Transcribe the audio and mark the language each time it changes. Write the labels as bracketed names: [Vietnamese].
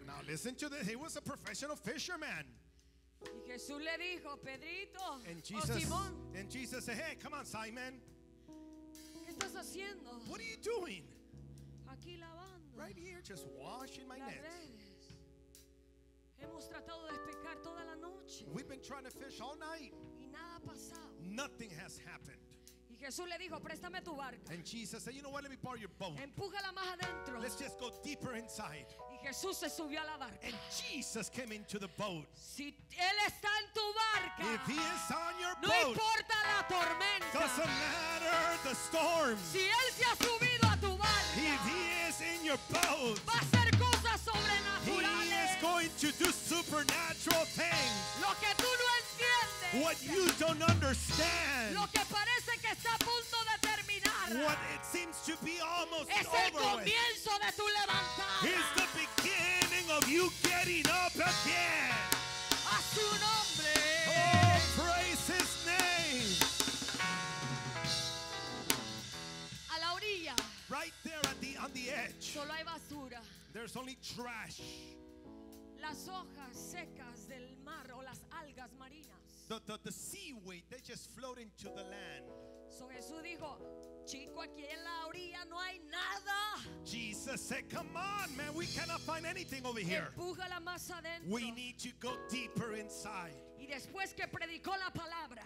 [English] Now listen to this. He was a professional fisherman. [Spanish] Y Jesús le dijo, Pedrito. [English] And Jesus, [Spanish] oh, Simón. [English] And Jesus said, hey, come on, Simon. [Spanish] ¿Qué estás haciendo? [English] What are you doing? [Spanish] Aquí lavando. [English] Right here, just washing my nets. [Spanish] Hemos tratado de pescar toda la noche. [English] We've been trying to fish all night. [Spanish] Y nada ha pasado. [English] Nothing has happened. [Spanish] Y Jesús le dijo, préstame tu barca. [English] And Jesus said, you know what? Let me borrow your boat. [Spanish] Empújala más adentro. [English] Let's just go deeper inside. [Spanish] Y Jesús se subió a la barca. [English] And Jesus came into the boat. [Spanish] Si él está en tu barca. [English] If he is on your [Spanish] no [English] boat. [Spanish] No importa la tormenta. [English] Doesn't matter the storm. [Spanish] Si él se ha subido a tu barca. [English] If he is in your boat. [Spanish] Va a hacer cosas sobrenaturales. [English] He is going to do supernatural things. [Spanish] Lo que tú no entiendes. [English] What you don't understand. [Spanish] Lo que parece que está a punto de terminar. [English] What it seems to be almost over. [Spanish] Es el comienzo de tu levantada. [English] It's the beginning of you getting up again. [Spanish] A su nombre. [English] Oh, praise His name. [Spanish] A la orilla. [English] Right there at the on the edge. [Spanish] Solo hay basura. [English] There's only trash. [Spanish] Las hojas secas del mar o las algas marinas. [English] The seaweed, they just float into the land. [Spanish] So Jesús dijo, chico, aquí en la orilla no hay nada. [English] Jesus said, come on, man, we cannot find anything over here. [Spanish] Empújala más adentro. [English] We need to go deeper inside. [Spanish] Y después que predicó la palabra.